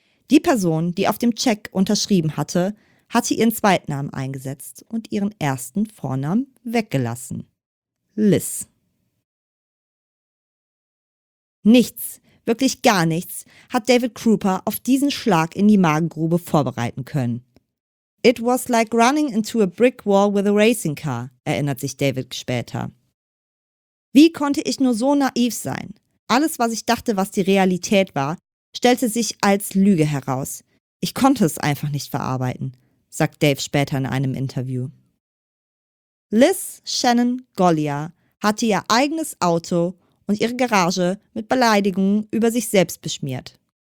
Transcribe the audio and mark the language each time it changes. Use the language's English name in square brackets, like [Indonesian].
[German] Die Person, die auf dem Check unterschrieben hatte, hatte ihren Zweitnamen eingesetzt und ihren ersten Vornamen weggelassen. Liz. Nichts, wirklich gar nichts, hat David Krueper auf diesen Schlag in die Magengrube vorbereiten können. [English] It was like running into a brick wall with a racing car, [German] erinnert sich David später. Wie konnte ich nur so naiv sein? Alles, was ich dachte, was die Realität war, stellte sich als Lüge heraus. Ich konnte es einfach nicht verarbeiten, sagt Dave später in einem Interview. Liz Shannon Golia hatte ihr eigenes Auto und ihre Garage mit Beleidigungen über sich selbst beschmiert.